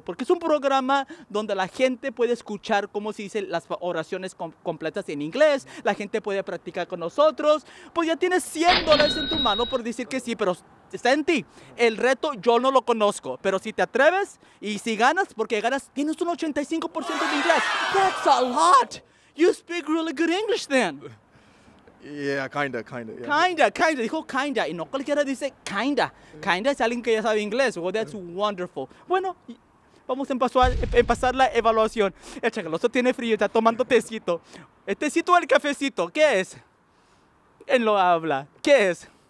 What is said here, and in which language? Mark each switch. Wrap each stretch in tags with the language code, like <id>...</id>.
<es>Porque es un programa donde la gente puede escuchar cómo se dicen las oraciones completas en inglés. La gente puede practicar con nosotros. Pues ya tienes $100 en tu mano por decir que sí, pero está en ti. El reto yo no lo conozco. Pero si te atreves y si ganas, porque ganas, tienes un 85% de inglés.</es> <en>That's a lot. You speak really good English then. Yeah, kinda, yeah.</en> <es>Kinda. Dijo kinda. Y no cualquiera dice kinda. Kinda es alguien que ya sabe inglés.</es> <en>Well, that's wonderful.</en> <es>Bueno, vamos a empezar la evaluación. El chacaloso tiene frío, está tomando tecito. ¿El tecito o el cafecito? ¿Qué es? Él lo habla. ¿Qué es?</es>